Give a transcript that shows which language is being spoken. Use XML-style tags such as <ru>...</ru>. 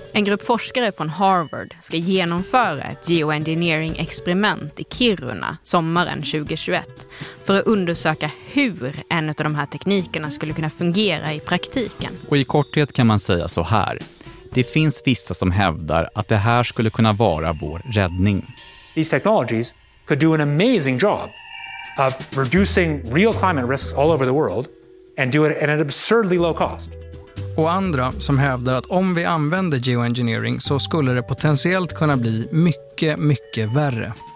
<sv>En grupp forskare från Harvard ska genomföra ett geoengineering-experiment i Kiruna sommaren 2021 för att undersöka hur en av de här teknikerna skulle kunna fungera i praktiken. Och i korthet kan man säga så här. Det finns vissa som hävdar att det här skulle kunna vara vår räddning.</sv> <en>These technologies could do an amazing job of reducing real climate risks all over the world and do it at an absurdly low cost.</en> <sv>Och andra som hävdar att om vi använder geoengineering så skulle det potentiellt kunna bli mycket, mycket värre.</sv>